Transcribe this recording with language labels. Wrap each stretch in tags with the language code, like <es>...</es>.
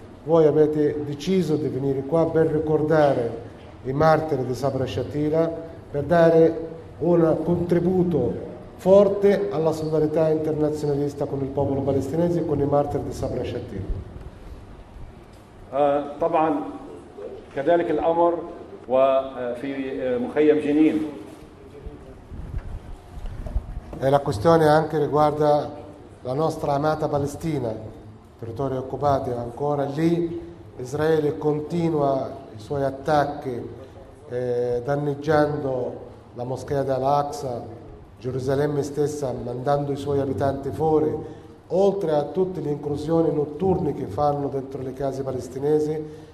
<it>Voi avete deciso di venire qua per ricordare i martiri di Sabra Shatila, per dare un contributo forte alla solidarietà internazionalista con il popolo palestinese e con i martiri di Sabra Shatila.</it> <ar>طبعا كذلك الامر وفي مخيم جنين</ar> <it>e la questione anche riguarda la nostra amata Palestina, territori occupati ancora lì. Israele continua i suoi attacchi danneggiando la moschea dell'Aqsa, Gerusalemme stessa, mandando i suoi abitanti fuori, oltre a tutte le incursioni notturne che fanno dentro le case palestinesi.</it>